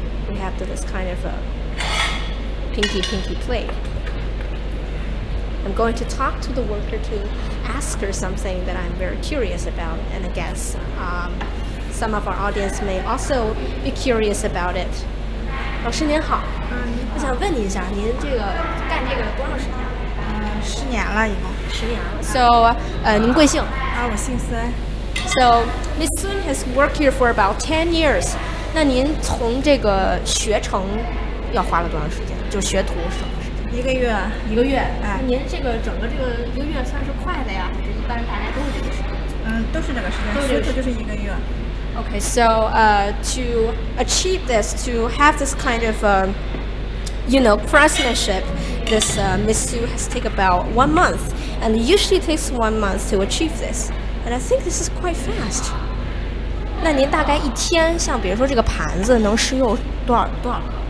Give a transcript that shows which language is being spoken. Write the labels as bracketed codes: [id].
[en] We have this kind of a pinky plate. I'm going to talk to the worker to ask her something that I'm very curious about, and I guess some of our audience may also be curious about it. [zh] 老师您好，我想问你一下，您这个干这个多长时间？十年了，已经。十年了。So, 您贵姓？啊，我姓孙。 [en] So, Miss Sun has worked here for about 10 years. [zh] 那您从这个学成要花了多长时间？就学徒是吗？一个月，一个月，哎，您这个整个这个一个月算是快的呀，还是一般大家都是这个时间？都是这个时间，都是就是一个月。 [en] Okay, so to achieve this, to have this kind of, you know, craftsmanship, this Miss Sue has taken about 1 month, and usually takes 1 month to achieve this, and I think this is quite fast. [zh] 那您大概一天，像比如说这个盘子，能使用多少个？